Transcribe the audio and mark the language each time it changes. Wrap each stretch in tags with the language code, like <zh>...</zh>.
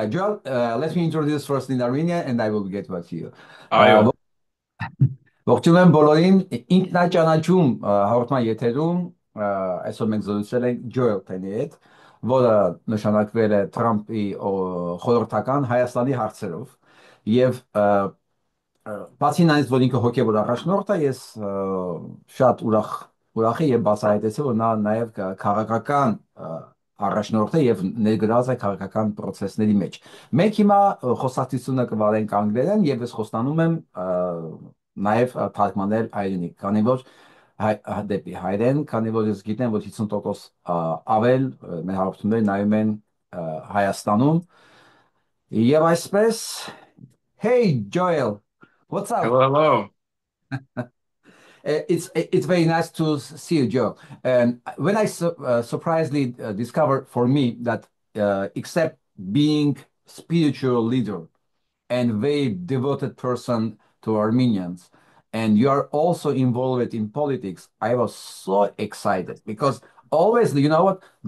<en>Joel, let me introduce first in Armenian and I will get back to you.</en> <hy>Այո. Ողջունում եմ բոլորին ինքնաճանաչում հաղորդման եթերում. Այսօր մենք զրուցել ենք Joel Tenney հետ, որը նշանակվել է Թրամփի խորհրդական Հայաստանի հարցերով եւ բացի նաեւ որ ինքը հոգեոր առաջնորդ է, ես շատ ուրախ եմ բացահայտեցել, որ նա նաեւ քաղաքական առաջնորդ է եւ ներգրավված է քաղաքական պրոցեսների մեջ։ Մենք հիմա խոսակցությունը կվարենք անգլերեն եւ ես խոստանում եմ նաեւ թարգմանել հայերենի, քանի որ դեպի հայերեն, քանի որ ես գիտեմ, որ 50% ավել մեր հարցումները նայում են Հայաստանում։ Եվ այսպես,</hy> <en>Hey Joel, What's up? Hello, It's very nice to see you, Joe. And when I su surprisingly discovered for me that except being spiritual leader and very devoted person to Armenians, and you are also involved in politics, I was so excited because always, you know what?</en>